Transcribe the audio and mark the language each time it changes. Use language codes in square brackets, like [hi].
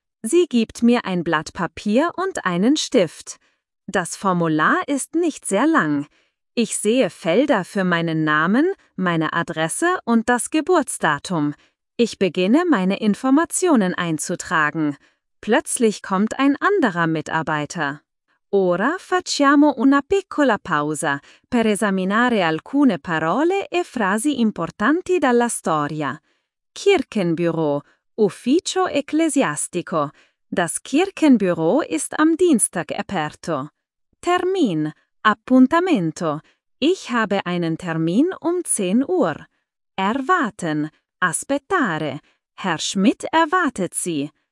[de] Sie gibt mir ein Blatt Papier und einen Stift. Das Formular ist nicht sehr lang. Ich sehe Felder für meinen Namen, meine Adresse und das Geburtsdatum. Ich beginne, meine Informationen einzutragen. Plötzlich kommt ein anderer Mitarbeiter. [it] Ora facciamo una piccola pausa per esaminare alcune parole e frasi importanti dalla storia. Kirchenbüro, ufficio ecclesiastico. [de] Das Kirchenbüro ist am Dienstag [it] aperto. [de] Termin, [it] appuntamento. [de] Ich habe einen Termin um 10 Uhr. Erwarten, [it] aspettare. [de] Herr Schmidt erwartet Sie.